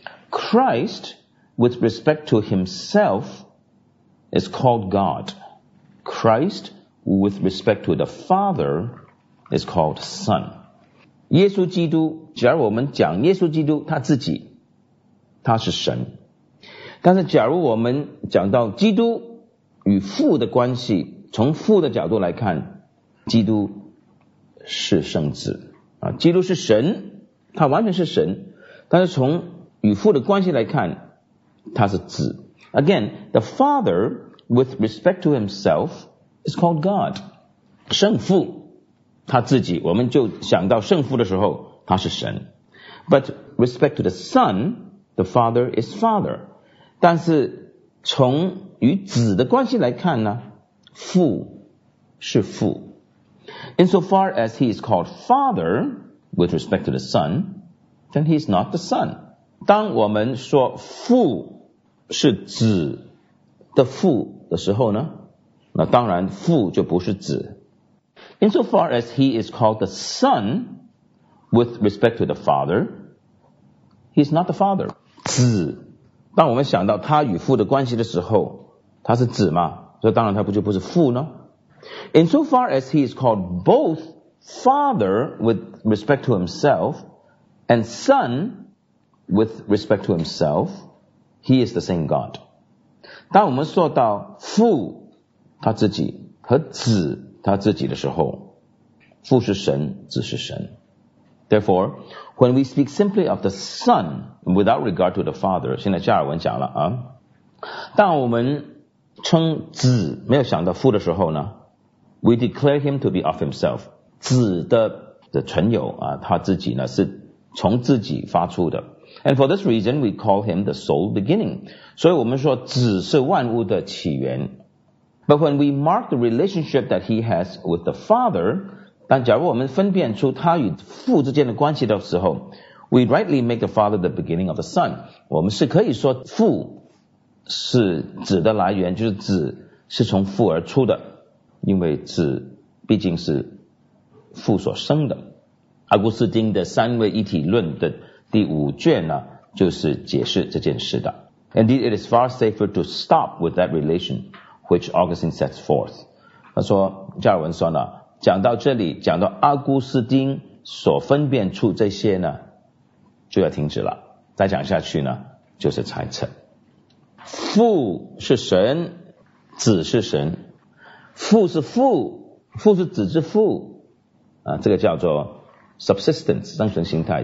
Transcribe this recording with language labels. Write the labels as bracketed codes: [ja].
[en] Christ with respect to himself is called God. Christ with respect to the Father is called Son. [zh] 耶稣基督，假如我们讲耶稣基督他自己，他是神。但是假如我们讲到基督与父的关系，从父的角度来看，基督是圣子。基督是神，他完全是神，但是从与父的关系来看，他是子。 [en] Again, the Father with respect to himself is called God. [zh] 圣父他自己，我们就想到圣父的时候他是神。 [en] But respect to the Son, the Father is Father. [zh] 但是从与子的关系来看呢，父是父。 [en] Insofar as he is called Father with respect to the Son, then he is not the Son. [zh] 当我们说父是子的父的时候呢，那当然父就不是子。 [en] Insofar as he is called the Son with respect to the Father, he is not the Father. [zh] 子，当我们想到他与父的关系的时候，他是子嘛，所以当然他不就不是父呢。 [en] Insofar as he is called both Father with respect to himself and Son with respect to himself, he is the same God. [zh] 当我们说到父他自己和子他自己的时候，父是神，子是神。 [en] Therefore, when we speak simply of the Son without regard to the Father, [zh] 现在加尔文讲了啊，当我们称子没有想到父的时候呢， [en] we declare him to be of himself. [zh] 子的存有啊，他自己呢是从自己发出的。 [en] And for this reason we call him the sole beginning. [zh] 所以我们说子是万物的起源。 [en] But when we mark the relationship that he has with the Father, [zh] 但假如我们分辨出他与父之间的关系的时候， [en] we rightly make the Father the beginning of the Son. [zh] 我们是可以说父是子的来源，就是子是从父而出的，因为子毕竟是父所生的。奥古斯丁的三位一体论的第五卷呢，就是解释这件事的。 [en] Indeed, it is far safer to stop with that relation which Augustine sets forth. [zh] 他说，加尔文说呢，讲到这里，讲到奥古斯丁所分辨出这些呢，就要停止了，再讲下去呢，就是猜测。父是神，子是神，父是父，父是子之父啊，这个叫做 subsistence 生存形态。